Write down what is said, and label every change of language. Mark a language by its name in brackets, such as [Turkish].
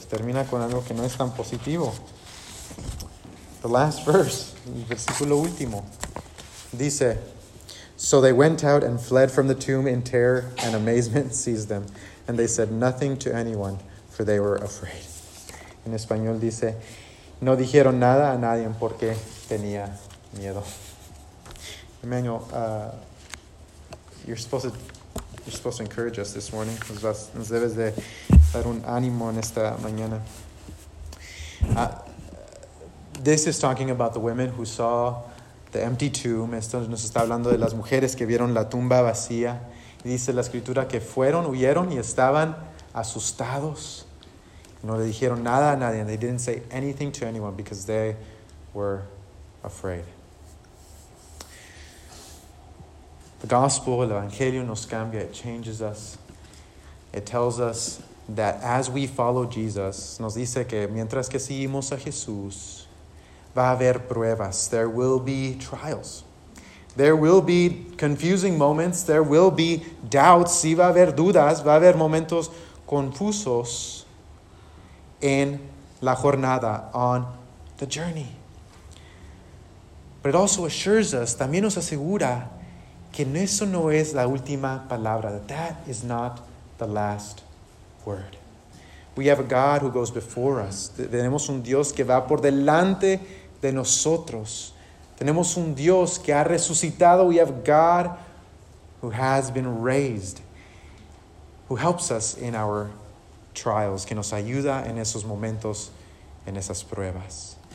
[Spanish] Termina con algo que no es tan positivo. [English] The last verse, [Spanish] el versículo último, dice, [English] so they went out and fled from the tomb in terror, and amazement seized them, and they said nothing to anyone, for they were afraid. [Spanish] En español dice, no dijeron nada a nadie porque tenía miedo. [English] Emmanuel, you're supposed to encourage us this morning. [Spanish] Nos debes de dar un ánimo en esta mañana. [English] This is talking about the women who saw the empty tomb. [Spanish] Esto nos está hablando de las mujeres que vieron la tumba vacía. Y dice la escritura que fueron, huyeron y estaban asustados. No le dijeron nada a nadie. [English] They didn't say anything to anyone because they were afraid. The gospel, [Spanish] el evangelio nos cambia. [English] It changes us. It tells us that as we follow Jesus, [Spanish] nos dice que mientras que seguimos a Jesús, va a haber pruebas. [English] There will be trials. There will be confusing moments. There will be doubts. [Spanish] Sí, va a haber dudas. Va a haber momentos confusos en la jornada, [English] on the journey. But it also assures us, [Spanish] también nos asegura, que eso no es la última palabra. [English] That is not the last word. We have a God who goes before us. [Spanish] Tenemos un Dios que va por delante de nosotros. Tenemos un Dios que ha resucitado. [English] We have God who has been raised, who helps us in our trials, [Spanish] que nos ayuda en esos momentos, en esas pruebas.